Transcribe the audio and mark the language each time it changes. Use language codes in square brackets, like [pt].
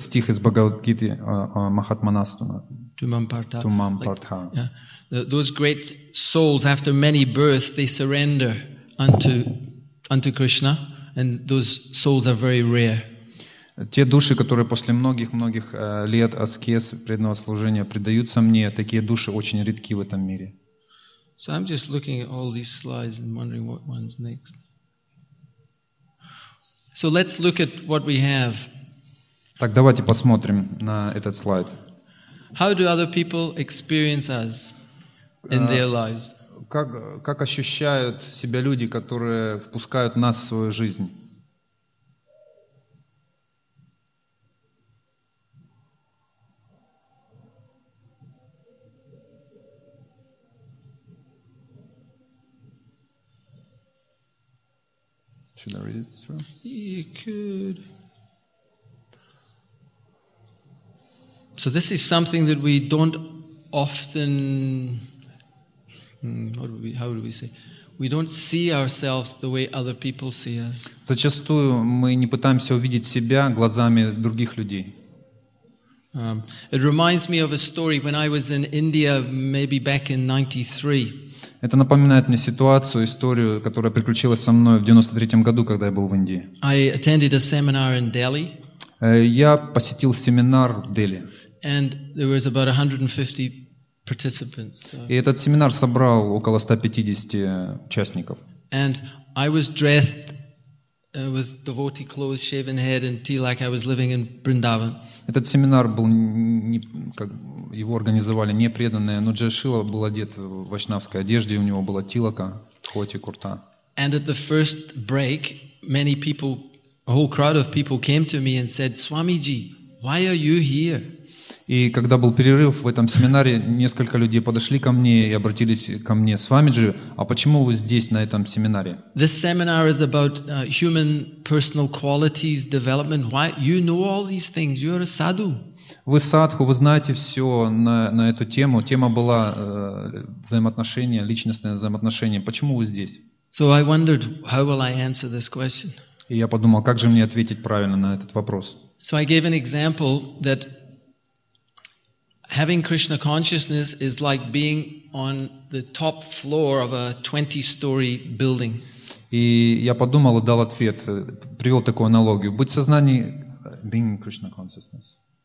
[ru] стих из Бхагавад-гиты Махатманастуна. Тумам Партха. [en] Those great souls, after many births, they surrender unto Krishna, and those souls are very rare. [ru] Те души, которые после многих-многих лет аскез преданного служения предаются мне, такие души очень редки в этом мире. [en] So I'm just looking at all these slides and wondering what one's next. So let's look at what we have. [ru] Так давайте посмотрим на этот слайд. [en] How do other people experience us in their lives? [ru] Как ощущают себя люди, которые впускают нас в свою жизнь? [en] Should I read it through? You could. So this is something that we don't often, we don't see ourselves the way other people see us. [ru] Зачастую мы не пытаемся увидеть себя глазами других людей. [en] It reminds me of a story when I was in India, maybe back in 93. [ru] Это напоминает мне ситуацию, историю, которая приключилась со мной в 93-м году, когда я был в Индии. [en] I attended a seminar in Delhi. [ru] Я посетил семинар в Дели. [en] And there was about 150 participants. [ru] И этот семинар собрал около 150 участников. [en] And I was dressed with devotee clothes, shaven head and tea, like I was living in Vrindavan. [ru] Этот семинар был, его организовали не преданные, но Джашила был одет в вайшнавской одежде, у него была тилака, хоти, курта. [en] And at the first break, many people, a whole crowd of people came to me and said, Swamiji, why are you here? [ru] И когда был перерыв в этом семинаре, несколько людей подошли ко мне и обратились ко мне, Свамиджи, а почему вы здесь, на этом семинаре? [en] This seminar is about human personal qualities development. Why? You know all these things. You are a sadhu. [ru] Вы садху, вы знаете все на эту тему. Тема была взаимоотношения, личностные взаимоотношения. Почему вы здесь? [en] So I wondered, how will I answer this question? [ru] И я подумал, как же мне ответить правильно на этот вопрос? [en] So I gave an example that having Krishna consciousness is like being on the top floor of a 20-story building. [ru] И я подумал и дал ответ, привел такую аналогию. Быть в сознании, [en] being Krishna consciousness.